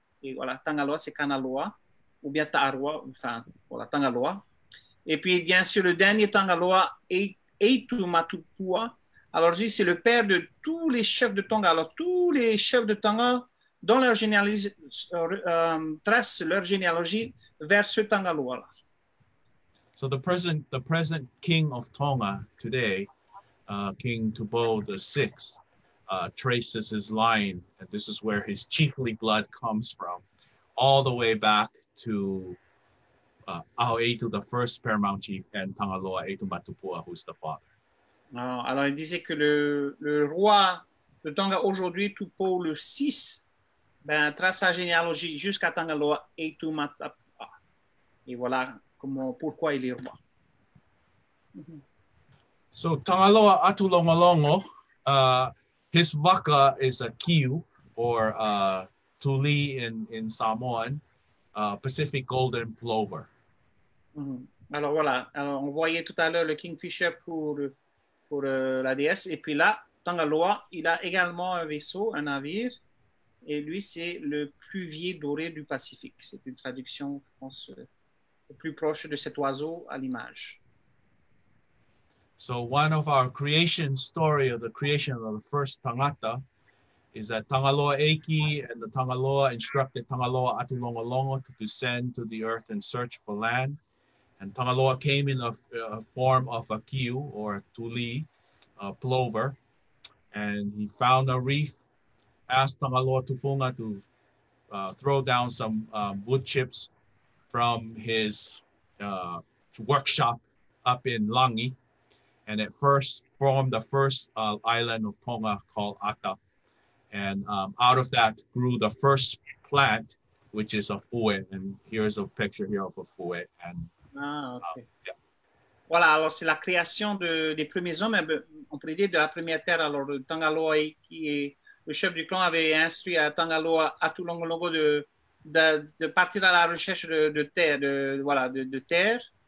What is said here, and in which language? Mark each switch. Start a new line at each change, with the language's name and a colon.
French: Et voilà, Tangaloa, c'est Kanaloa, ou bien Taaroa, Tangaloa. Et puis, bien sûr, le dernier Tangaloa, Eitu Matupua. Alors, lui, c'est le père de tous les chefs de Tonga. Alors, tous les chefs de Tonga, dans leur généalogie, tracent leur généalogie vers ce Tangaloa-là.
English: So, the present king of Tonga today, King Tubou the VI, traces his line, and this is where his chiefly blood comes from, all the way back to Aoeitu, the first paramount chief, and Tangaloa Eitu Matupua, who's the father.
French: Alors, il disait que le roi de Tonga aujourd'hui, Tupou le VI, trace sa généalogie jusqu'à Tangaloa Eitu Matupua. Et voilà pourquoi il est roi.
English: So, Tangaloa Atu Longo Longo, his waka is a kiu, or a tuli in Samoan, Pacific golden plover. Mm-hmm.
French: Alors voilà, alors, on voyait tout à l'heure le kingfisher pour la déesse, et puis là, Tangaloa, il a également un navire, et lui c'est le pluvier doré du Pacifique. C'est une traduction, je pense, le plus proche de cet oiseau à l'image.
English: So one of our creation story of the creation of the first tangata is that Tangaloa Eiki and the Tangaloa instructed Tangaloa Atu Longo Longo to descend to the earth and search for land. And Tangaloa came in a form of a kiu or a tuli, a plover. And he found a reef, asked Tangaloa Tufunga to throw down some wood chips from his workshop up in Langi. And it first formed the first island of Tonga called Ata. And out of that grew the first plant, which is a fue. And here's a picture here of a fue. And,
French: Voilà, alors c'est la création des premiers hommes, on pourrait dire de la première terre. Alors Tangaloa, qui est le chef du clan, avait instruit à Tangaloa Atu Longo Longo de partir à la recherche de terre. De terre.